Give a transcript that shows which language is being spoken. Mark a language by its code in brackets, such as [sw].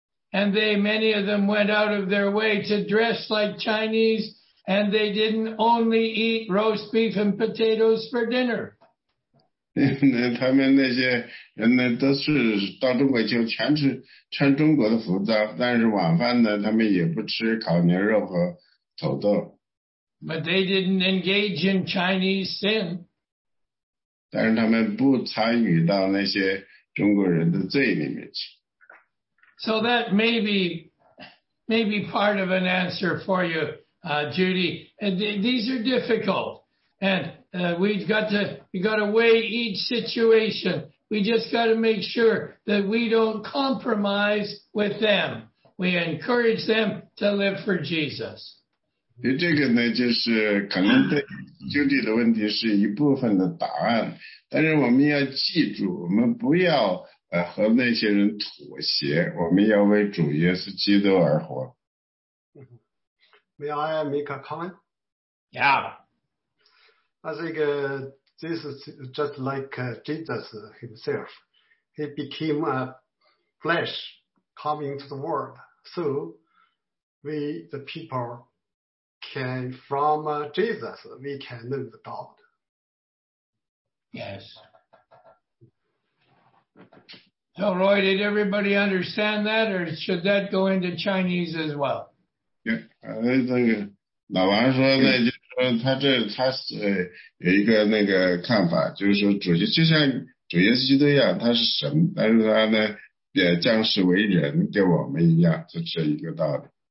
[en] And they, many of them went out of their way to dress like Chinese, and they didn't only eat roast beef and potatoes for dinner. [zh] 他们那些人呢，都是到中国就全是穿中国的服装，但是晚饭呢，他们也不吃烤牛肉和土豆。 [en] But they didn't engage in Chinese sin. [zh] 但是他们不参与到那些中国人的罪里面去。 [en] So that may be part of an answer for you, Judy. And these are difficult. And we've got to weigh each situation. We just got to make sure that we don't compromise with them. We encourage them to live for Jesus. [zh] 这个呢，就是可能对 Judy 的问题是一部分的答案，但是我们要记住，我们不要和那些人妥协，我们要为主耶稣基督而活。 [en] May I make a comment? Yeah. I think this is just like Jesus himself. He became a flesh coming to the world. So we, the people, can, from Jesus, we can know the God. Yes. So Roy, did everybody understand that, or should that go into Chinese as well? Yeah, [zh] 这个老王说呢，就是说他有一个那个看法，就是说主就像主耶稣基督一样，他是神，但是他呢也降世为人，跟我们一样，就是一个道理。